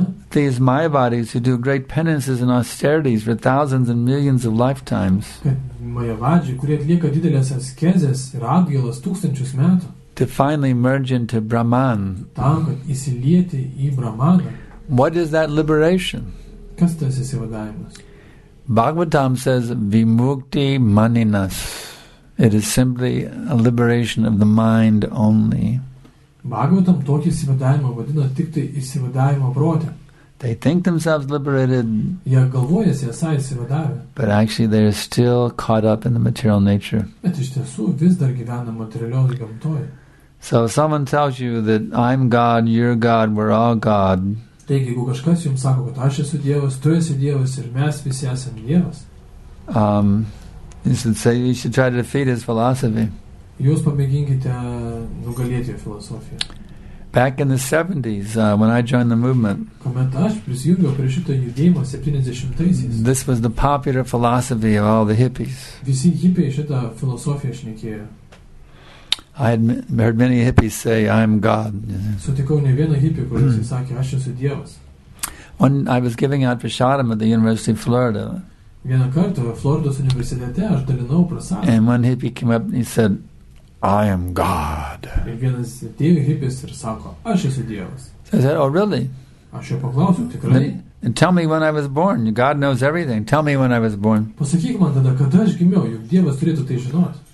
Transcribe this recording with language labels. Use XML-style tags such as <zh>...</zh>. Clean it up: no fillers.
<en>These Mayavadis who do great penances and austerities for thousands and millions of lifetimes.</en> <lt>Mayavadžiai, kurie atlieka didelės askezės ir atgailas tūkstančius metų.</lt> <en>To finally merge into Brahman.</en> <lt>Tam, kad įsilieti į Brahmaną.</lt> <en>What is that liberation?</en> <lt>Kas tas įsivadavimas?</lt> <en>Bhagavatam says, Vimukti maninas. It is simply a liberation of the mind only.</en> <lt>Bhagavatam tokį įsivadavimą vadina tik tai įsivadavimo prote.</lt> <en>They think themselves liberated.</en> <lt>Jie galvojasi esą įsivadavę.</lt> <en>But actually they are still caught up in the material nature.</en> <lt>Bet iš tiesų vis dar gyvena materialioj gamtoj.</lt> <en>So if someone tells you that I'm God, you're God, we're all God.</en> <lt>Taigi, jeigu kažkas jums sako, kad aš esu Dievas, tu esi Dievas ir mes visi esam Dievas.</lt> <en>You should try to defeat his philosophy.</en> <lt>Jūs pamėginkite nugalėti jo filosofiją.</lt> <en>Back in the 70s, when I joined the movement,</en> <lt>kuomet aš prisijungiau prie šito judėjimo 70-aisiais,</lt> <en>this was the popular philosophy of all the hippies.</en> <lt>Visi hipiai šitą filosofiją šnekėjo.</lt> <en>I had heard many hippies say, I am God.</en> <lt>Sutikau ne vieną hippie, kuris sakė, aš esu Dievas.</lt> <en>When I was giving out prasadam at the University of Florida,</en> <lt>vieną kartą Floridos universitete aš dalinau prasadą.</lt> <en>And one hippie came up and he said, I am God.</en> <lt>Ir vienas dievi hippies ir sako, aš esu Dievas.</lt> <en>So I said, oh really?</en> <lt>Aš jo paklausiu, tikrai?</lt> <en>And tell me when I was born. God knows everything. Tell me when I was born.</en> <lt>Pasakyk man tada, kada aš gimiau, juk Dievas turėtų tai žinot.</lt>